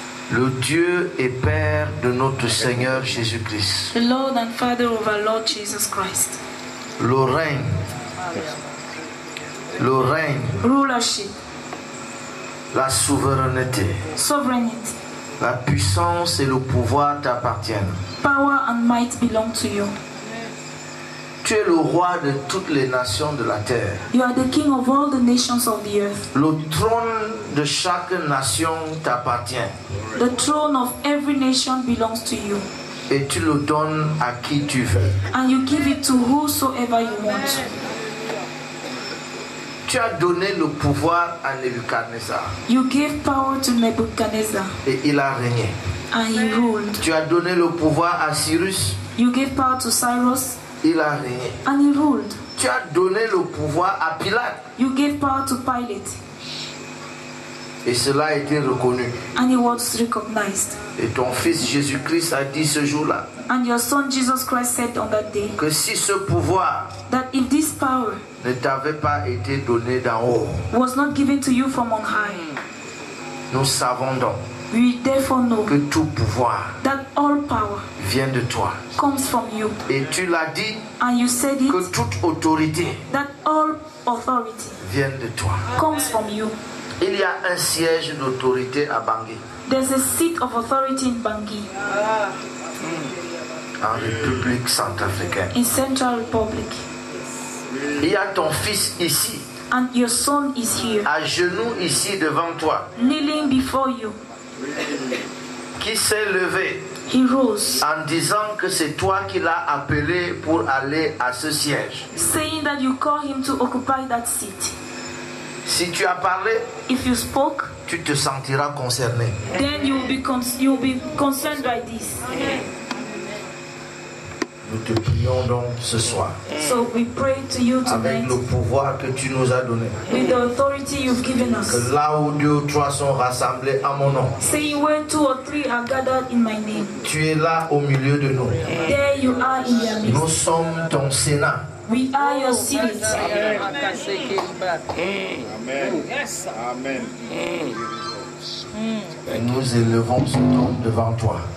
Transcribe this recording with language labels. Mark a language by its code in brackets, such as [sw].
[fr] le Dieu et Père de notre Seigneur Jésus-Christ, [en] the Lord and Father of our Lord Jesus Christ, [fr] le règne, le règne, [en] rulership, [fr] la souveraineté, [en] sovereignty, [fr] la puissance et le pouvoir t'appartiennent. [en] Power and might belong to you. [fr] Tu es le roi de toutes les nations de la terre. [en] You are the king of all the nations of the earth. [fr] Le trône de chaque nation t'appartient. [en] The throne of every nation belongs to you. [fr] Et tu le donnes à qui tu veux. [en] And you give it to whosoever you want. [fr] Tu as donné le pouvoir à Nebuchadnezzar. [en] You gave power to Nebuchadnezzar. [fr] Et il a régné. [en] And he ruled. [fr] Tu as donné le pouvoir à Cyrus. [en] You gave power to Cyrus. [fr] Il a régné. [en] And he ruled. [fr] Tu as donné le pouvoir à Pilate. [en] You gave power to Pilate. [fr] Et cela a été reconnu. [en] And he was recognized. [fr] Et ton fils Jésus-Christ a dit ce jour-là. [en] And your son Jesus Christ said on that day. [fr] Que si ce pouvoir. [en] That if this power. [fr] Ne t'avait pas été donné d'en haut. [en] Was not given to you from on high. [fr] Nous savons donc. [en] We therefore know. [fr] Que tout pouvoir. [en] That all power. [fr] Vient de toi. [en] Comes from you. [fr] Et tu l'as dit. [en] And you said it. [fr] Que toute autorité. [en] That all authority. [fr] Vient de toi. [en] Comes from you. [fr] Il y a un siège d'autorité à Bangui. [en] There's a seat of authority in Bangui. [fr] En République centrafricaine. [en] In Central Republic. [fr] Il y a ton fils ici. [en] And your son is here. [fr] À genoux ici devant toi. [en] Kneeling before you. [fr] Qui s'est levé. [en] He rose. [fr] En disant que c'est toi qui l'as appelé pour aller à ce siège. [en] Saying that you call him to occupy that seat. [fr] Si tu as parlé, [en] if you spoke, [fr] tu te sentiras concerné. [en] Then you will be concerned by this. [fr] Nous te prions donc ce soir. [en] So we pray to you tonight. [fr] Avec le pouvoir que tu nous as donné. [en] With the authority you've given us. [fr] Que là où deux ou trois sont rassemblés en mon nom. [en] Say where two or three are gathered in my name. [fr] Tu es là au milieu de nous. [en] There you are in your midst. [fr] Nous sommes ton Sénat. [en] We are your seat. Amen. Yes. Amen. [fr] Et nous élevons ce nom devant toi.